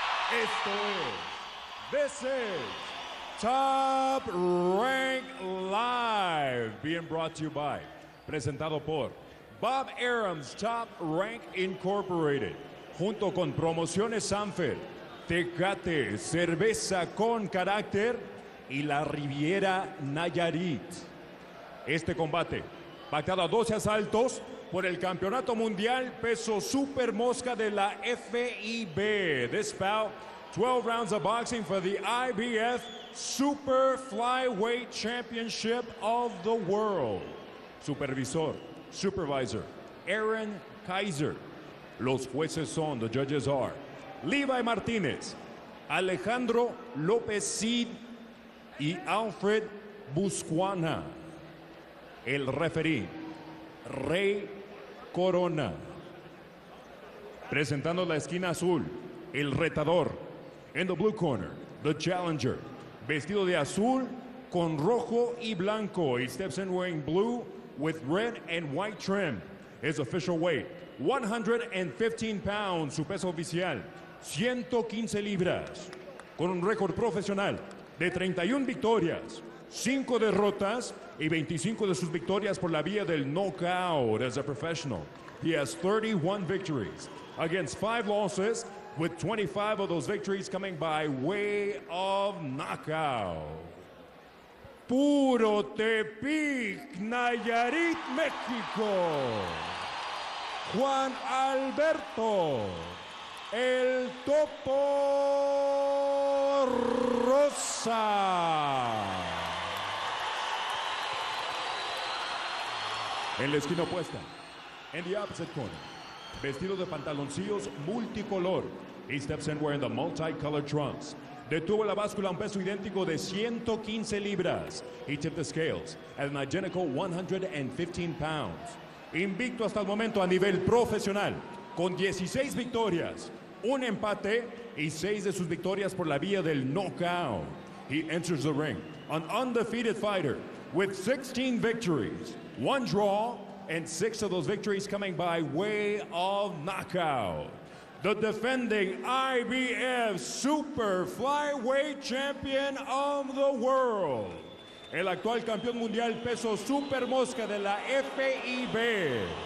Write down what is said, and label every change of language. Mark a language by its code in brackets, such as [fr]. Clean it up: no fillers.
[es] Esto es, [en] this is Top Rank Live, being brought to you by, [es] presentado por Bob Arum's Top Rank Incorporated, junto con Promociones Sanfer, Tecate, cerveza con carácter y la Riviera Nayarit. Este combate, pactado a 12 asaltos por el Campeonato Mundial Peso Super Mosca de la FIB. [en] This bout, 12 rounds of boxing for the IBF Super Flyweight Championship of the World. [es] Supervisor, supervisor, Aaron Kaiser. Los jueces son, [en] the judges are, [es] Levi Martinez, Alejandro López Cid y Alfred Buscuana. El referí, Rey Corona. Presentando la esquina azul, el retador. [en] In the blue corner, the challenger. [es] Vestido de azul con rojo y blanco. [en] He steps in wearing blue with red and white trim. His official weight, 115 pounds. [es] Su peso oficial, 115 libras. Con un récord profesional de 31 victorias, 5 derrotas y 25 de sus victorias por la vía del knockout. [en] As a professional, he has 31 victories against 5 losses, with 25 of those victories coming by way of knockout. [es] Puro Tepic, Nayarit, México. Juan Alberto, el Topo Rosa. En la esquina opuesta, [en] in the opposite corner, [es] vestido de pantaloncillos multicolor. [en] He steps in wearing the multicolored trunks. [es] Detuvo la báscula un peso idéntico de 115 libras. [en] He tipped the scales at an identical 115 pounds. [es] Invicto hasta el momento a nivel profesional, con 16 victorias, un empate y 6 de sus victorias por la vía del knockout. [en] He enters the ring, an undefeated fighter, with 16 victories. One draw, and 6 of those victories coming by way of knockout. The defending IBF Super Flyweight Champion of the World. [es] El actual campeón mundial peso super mosca de la FIB.